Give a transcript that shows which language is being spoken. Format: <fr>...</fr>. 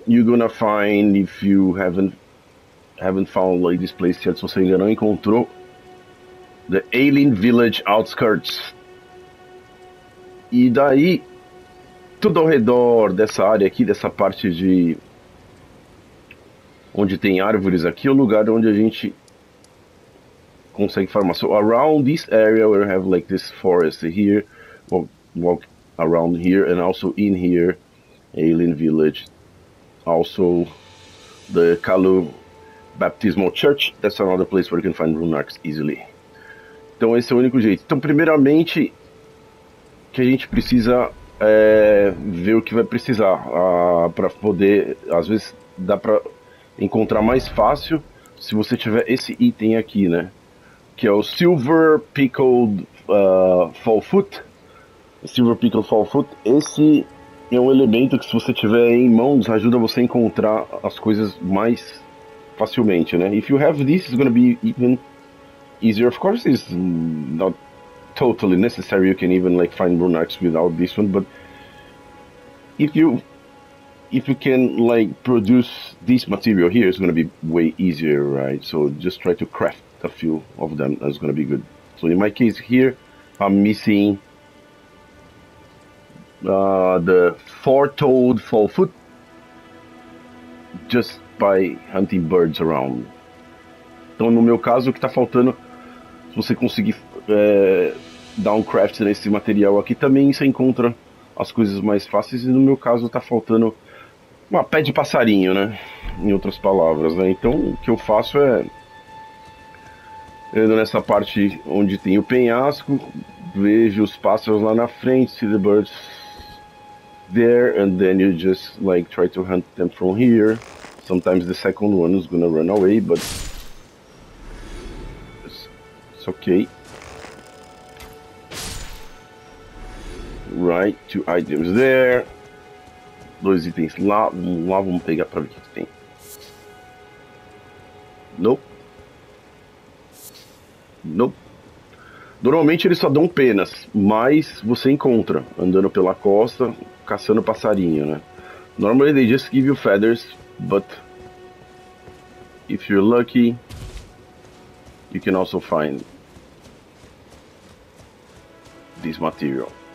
<en>You're gonna find, if you haven't found like this place yet,</en> <pt>se você ainda não encontrou,</pt> <en>the alien village outskirts.</en> <pt>E daí, tudo ao redor dessa área aqui, dessa parte de onde tem árvores aqui, é o lugar onde a gente consegue farmar.</pt> <en>So around this area where we have like this forest here, walk around here and also in here, alien village, also the Kalu Baptismal Church, that's another place where you can find Rune Arcs easily.</en> <pt>Então esse é o único jeito. Então primeiramente, o que a gente precisa é ver o que vai precisar, para poder, às vezes dá para encontrar mais fácil se você tiver esse item aqui, né? Que é o Silver Pickled Fall Foot. Silver Pickled Fall Foot, esse é um elemento que se você tiver em mãos, ajuda você a encontrar as coisas mais facilmente, né?</pt> <en>If you have this, it's gonna be even easier. Of course, it's not totally necessary. You can even like find Rune Arcs without this one, but if you can like produce this material here, it's gonna be way easier, right? So just try to craft a few of them. That's gonna be good. So in my case here, I'm missing the four-toed fall foot. Just by hunting birds around.</en> <pt>Então no meu caso, o que tá faltando, se você conseguir dar um craft nesse material aqui também, você encontra as coisas mais fáceis. E no meu caso tá faltando uma pé de passarinho, né? Em outras palavras, né? Então o que eu faço é ando nessa parte onde tem o penhasco, vejo os pássaros lá na frente,</pt> <en>see the birds there, and then you just like try to hunt them from here. Sometimes the second one is gonna run away, but it's okay. Right, two items there.</en> <pt>Dois itens lá, lá vamos pegar pra ver o que tem.</pt> <en>Nope. Nope.</en> <pt>Normalmente eles só dão penas, mas você encontra andando pela costa, caçando passarinho, né?</pt> <en>Normally they just give you feathers, but if you're lucky, you can also find this material.</en>